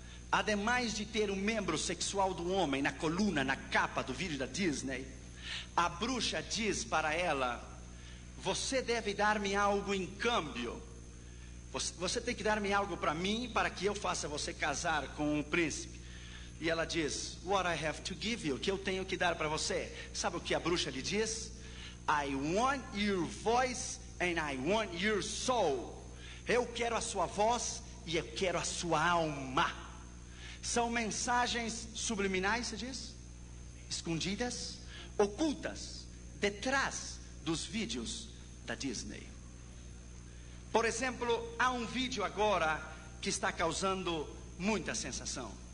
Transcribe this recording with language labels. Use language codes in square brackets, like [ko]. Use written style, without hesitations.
[pt] Ademais de ter um membro sexual do homem na coluna, na capa do vídeo da Disney, a bruxa diz para ela: você deve dar-me algo em câmbio. Você tem que dar-me algo para mim, para que eu faça você casar com o príncipe. E ela diz: [en] what I have to give you, [pt] o que eu tenho que dar para você? Sabe o que a bruxa lhe diz? [en] I want your voice and I want your soul. [pt] Eu quero a sua voz e eu quero a sua alma. São mensagens subliminais, se diz? Escondidas, ocultas, detrás dos vídeos da Disney. Por exemplo, há um vídeo agora que está causando muita sensação.